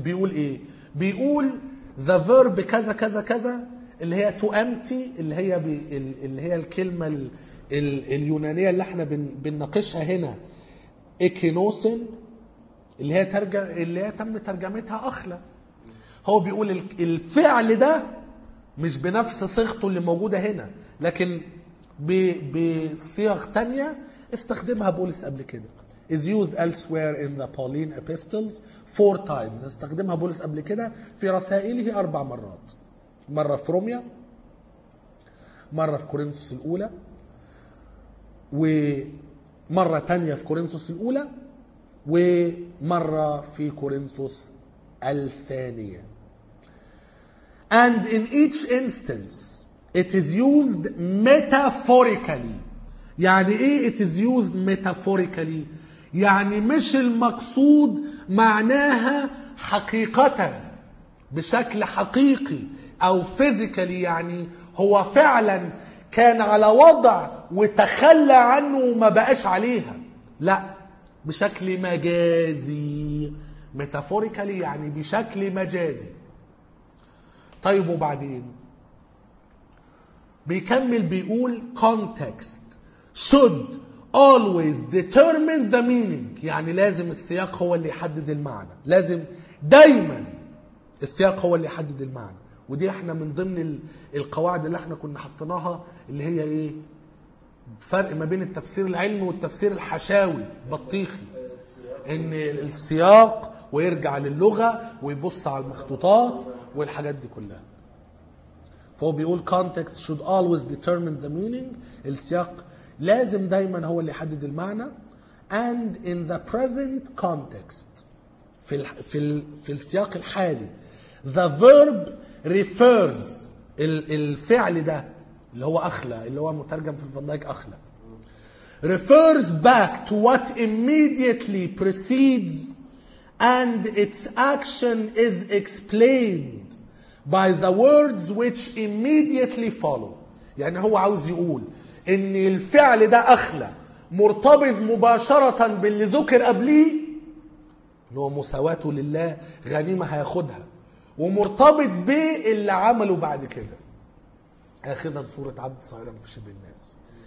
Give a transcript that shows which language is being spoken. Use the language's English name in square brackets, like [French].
[Arabic] بيقول ايه؟ بيقول [English] the verb [Arabic] كذا كذا كذا اللي هي [English] to empty، [Arabic] اللي هي الكلمة اليونانية اللي احنا بنناقشها هنا ايكينوسن، اللي هي تم ترجمتها اخلى. هو بيقول الفعل ده مش بنفس صيغته اللي موجودة هنا، لكن بصيغ تانية استخدمها بولس قبل كده. [English] is used elsewhere in the Pauline epistles 4 times. [Arabic] استخدمها بولس قبل كده في رسائله 4 مرات، مرة في روميا، مرة في كورنثوس الأولى، ومرة تانية في كورنثوس الأولى، ومرة في كورنثوس الثانية. [English] And in each instance it is used metaphorically. [Arabic] يعني إيه [English] it is used metaphorically؟ [Arabic] يعني مش المقصود معناها حقيقة بشكل حقيقي أو فيزيكالي، يعني هو فعلا كان على وضع وتخلى عنه وما بقاش عليها، لا بشكل مجازي. ميتافوريكالي يعني بشكل مجازي. طيب وبعدين بيكمل بيقول [English] context should always determine the meaning، [Arabic] يعني لازم السياق هو اللي يحدد المعنى، لازم دايما السياق هو اللي يحدد المعنى. ودي احنا من ضمن القواعد اللي احنا كنا حطناها، اللي هي ايه؟ فرق ما بين التفسير العلمي والتفسير الحشاوي بطيخي، ان السياق ويرجع للغة ويبص على المخطوطات والحاجات دي كلها. [English] فهو بيقول context should always determine the meaning. [Arabic] السياق لازم دايما هو اللي يحدد المعنى. [English] And in the present context, [Arabic] في السياق الحالي, [English] the verb refers, [Arabic] الفعل ده اللي هو أخلى, اللي هو مترجم في الفندق أخلى, [English] refers back to what immediately precedes, and its action is explained by the words which immediately follow. [Arabic] يعني هو عاوز يقول ان الفعل ده أخلى مرتبط مباشرة باللي ذكر قبليه, اللي هو مساواته لله, غنيمة هياخدها, ومرتبط باللي عمله بعد كده, آخذا صورة عبد صغيرا في شبه الناس.